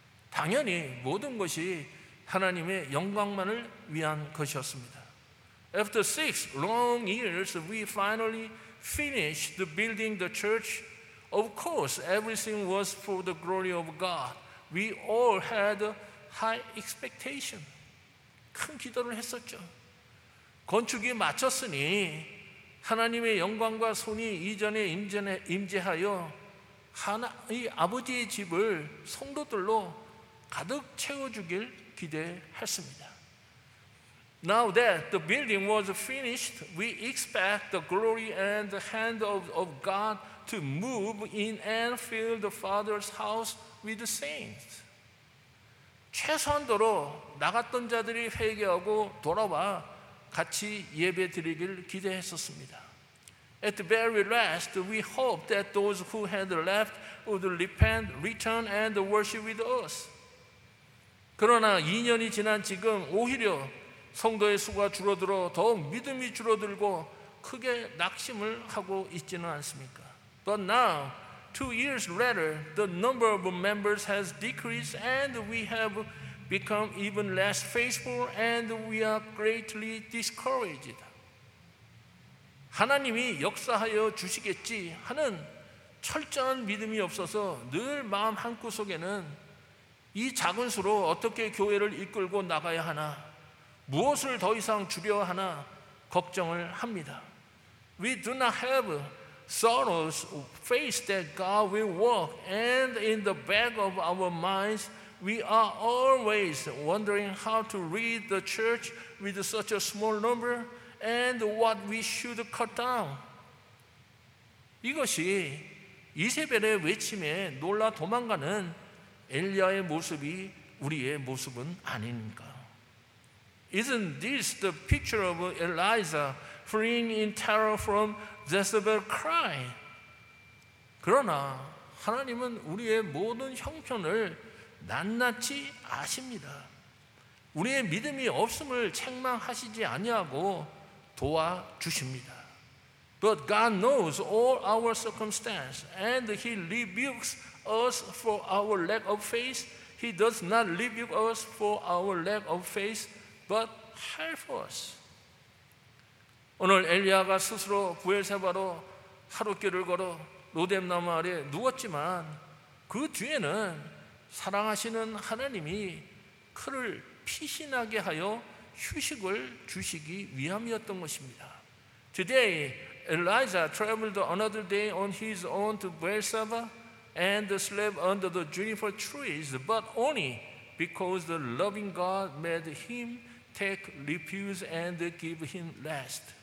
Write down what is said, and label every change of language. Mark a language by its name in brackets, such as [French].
[Korean] 당연히 모든 것이 하나님의 영광만을 위한 것이었습니다. [English] After six long years, we finally finished the building the church. Of course, everything was for the glory of God. We all had high expectation. [Korean] 큰 기도를 했었죠. 건축이 마쳤으니 하나님의 영광과 손이 이전에 임재하여 하나의 아버지의 집을 성도들로 가득 채워주길 기대했습니다. [English] Now that the building was finished, we expect the glory and the hand of God to move in and fill the Father's house with the saints. [Korean] 최소한도로 나갔던 자들이 회개하고 돌아와 같이 예배 드리길 기대했었습니다. [English] At the very last, we hope that those who had left would repent, return and worship with us. [Korean] 그러나 2년이 지난 지금 오히려 성도의 수가 줄어들어 더욱 믿음이 줄어들고 크게 낙심을 하고 있지는 않습니까? [English] But now, 2 years later, the number of members has decreased and we have become even less faithful and we are greatly discouraged. [Korean] 하나님이 역사하여 주시겠지 하는 철저한 믿음이 없어서 늘 마음 한구석에는 이 작은 수로 어떻게 교회를 이끌고 나가야 하나, 무엇을 더 이상 줄여야 하나 걱정을 합니다. [English] We do not have sorrows of faith that God will work, and in the back of our minds, we are always wondering how to lead the church with such a small number and what we should cut down. [Korean] 이것이 이세벨의 외침에 놀라 도망가는 엘리야의 모습이 우리의 모습은 아닙니까? [English] Isn't this the picture of Elijah fleeing in terror from Jezebel's cry? [Korean] 그러나 하나님은 우리의 모든 형편을 낱낱이 아십니다. 우리의 믿음이 없음을 책망하시지 아니하고 도와주십니다. [English] But God knows all our circumstances and He rebukes us for our lack of faith. He does not rebuke us for our lack of faith, but help us. [Korean] 오늘 엘리야가 스스로 부엘세바로 하룻길을 걸어 로뎀나무 아래 누웠지만 그 뒤에는 사랑하시는 하나님이 그를 피신하게 하여 휴식을 주시기 위함이었던 것입니다. [English] Today, Elijah traveled another day on his own to Beersheba and slept under the juniper trees, but only because the loving God made him take refuge and give him rest.